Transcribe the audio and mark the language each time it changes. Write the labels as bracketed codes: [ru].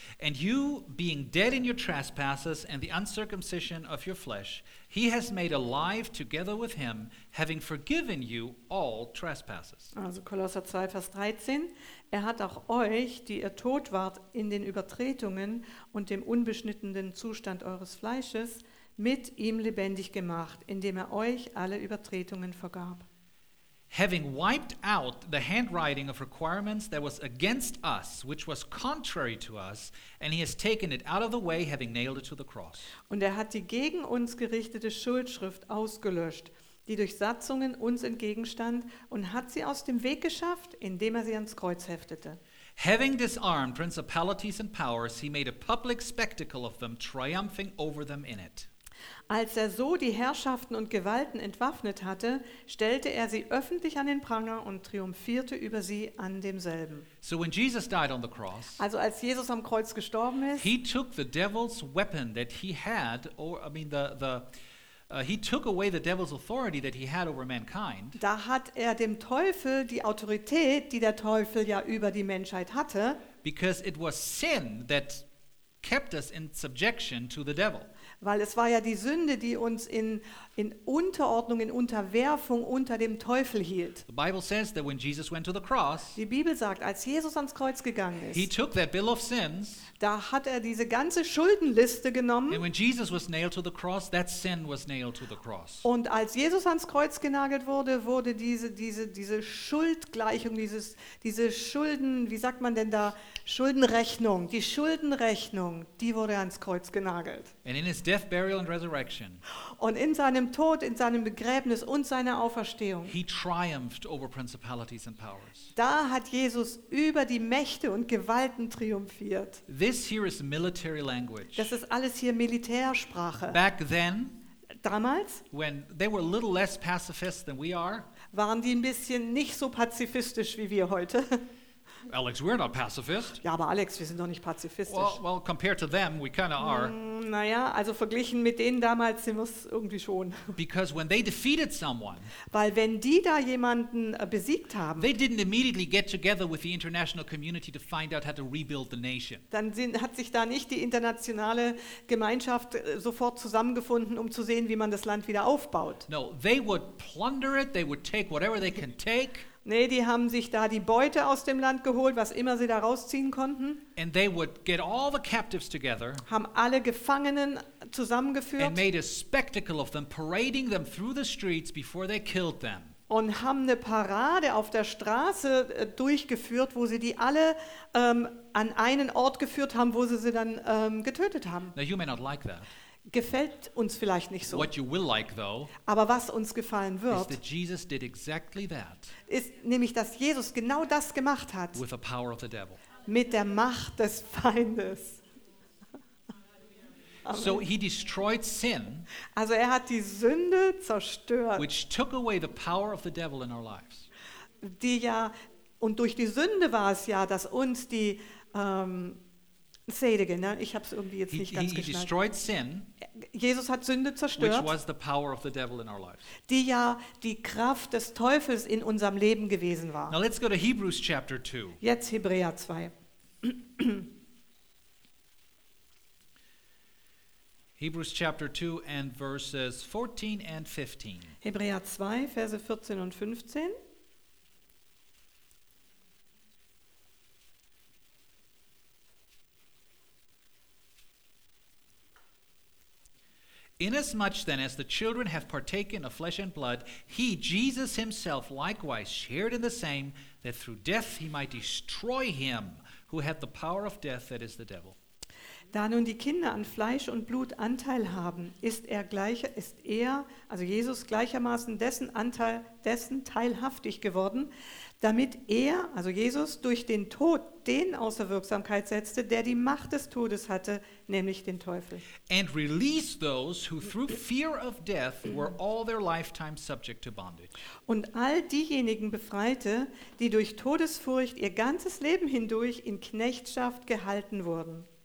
[en] "And you, being dead in your trespasses and the uncircumcision of your flesh, he has made alive together with him, having forgiven you all trespasses." [de] Also Kolosser 2, Vers 13. "Er hat auch euch, die ihr tot wart in den Übertretungen und dem unbeschnittenen Zustand eures Fleisches, mit ihm lebendig gemacht, indem er euch alle Übertretungen vergab." [en] Having wiped out the handwriting of requirements that was against us, which was contrary to us, and he has taken it out of the way, having nailed it to the cross. [de] Und er hat die gegen uns gerichtete Schuldschrift ausgelöscht, die durch Satzungen uns entgegenstand, und hat sie aus dem Weg geschafft, indem er sie ans Kreuz heftete. [en] Having disarmed principalities and powers, he made a public spectacle of them, triumphing over them in it. [de] Als er so die Herrschaften und Gewalten entwaffnet hatte, stellte er sie öffentlich an den Pranger und triumphierte über sie an demselben. [en] So when Jesus died on the cross, [de] also als Jesus am Kreuz gestorben ist, [en] he took the devil's weapon that he had, or I mean he took away the devil's authority that he had over mankind. [de] Da hat er dem Teufel die Autorität, die der Teufel ja über die Menschheit hatte, [en] because it was sin that kept us in subjection to the devil. [de] Weil es war ja die Sünde, die uns in Unterordnung, in Unterwerfung unter dem Teufel hielt. [en] The Bible says that when Jesus went to the cross, [de] die Bibel sagt, als Jesus ans Kreuz gegangen ist, [en] he took that bill of sins, [de] da hat er diese ganze Schuldenliste genommen. [en] And when Jesus was nailed to the cross, that sin was nailed to the cross. [de] Und als Jesus ans Kreuz genagelt wurde, wurde diese Schuldgleichung, diese Schulden, wie sagt man denn da, Schuldenrechnung, die wurde ans Kreuz genagelt. [en] And in his death, death, burial and resurrection. [de] Und in seinem Tod, in seinem Begräbnis und seiner Auferstehung. [en] He triumphed over principalities and powers. [de] Da hat Jesus über die Mächte und Gewalten triumphiert. [en] This here is military language. [de] Das ist alles hier Militärsprache. [en] Back then, [de] damals, [en] when they were a little less pacifist than we are, [de] waren die ein bisschen nicht so pazifistisch wie wir heute. [en] Alex, we're not pacifist. [de] Ja, aber Alex, wir sind doch nicht pazifistisch. [en] Well, compared to them, we kind of are. [de] Naja, also verglichen mit denen damals sind wir es irgendwie schon. [en] Because when they defeated someone, [de] weil wenn die da jemanden besiegt haben, [en] they didn't immediately get together with the international community to find out how to rebuild the nation. [de] Dann hat sich da nicht die internationale Gemeinschaft sofort zusammengefunden, um zu sehen, wie man das Land wieder aufbaut. [en] No, they would plunder it. They would take whatever they can take. [de] Nee, die haben sich da die Beute aus dem Land geholt, was immer sie da rausziehen konnten. [en] And they would get all the captives together, [de] haben alle Gefangenen zusammengeführt [en] and made a spectacle of them, parading them through the streets before they killed them. [de] Und haben eine Parade auf der Straße durchgeführt, wo sie die alle an einen Ort geführt haben, wo sie sie dann getötet haben. [en] Now you may not like that. [de] Gefällt uns vielleicht nicht so. [en] What you will like, though, [de] aber was uns gefallen wird, [en] is that Jesus did exactly that. [de] Ist nämlich, dass Jesus genau das gemacht hat [en] with the power of the devil. [de] Mit der Macht des Feindes. [en] So he destroyed sin, [de] also er hat die Sünde zerstört, [en] which took away the power of the devil in our lives. [de] Die ja, und durch die Sünde war es ja, dass uns die [en] say it again. [de] Ich habe es irgendwie jetzt nicht ganz geschnallt. [en] He destroyed sin, [de] Jesus hat Sünde zerstört, [en] which was the power of the devil in our lives. [de] Die ja die Kraft des Teufels in unserem Leben gewesen war. [en] Now let's go to Hebrews chapter 2. [de] Jetzt Hebräer 2. [en] Hebrews chapter 2 and verses 14 and 15. [de] Hebräer 2, Verse 14 und 15. [en] Inasmuch then as the children have partaken of flesh and blood, he, Jesus himself, likewise shared in the same, that through death he might destroy him who had the power of death, that is the devil. [de] Da nun die Kinder an Fleisch und Blut Anteil haben, also Jesus, gleichermaßen dessen teilhaftig geworden, damit er, also Jesus, durch den Tod den außer Wirksamkeit setzte, der die Macht des Todes hatte, nämlich den Teufel. [en] And released those who through fear of death were all their lifetime subject to bondage. [de] Und all diejenigen befreite, die durch Todesfurcht ihr ganzes Leben hindurch in Knechtschaft gehalten wurden.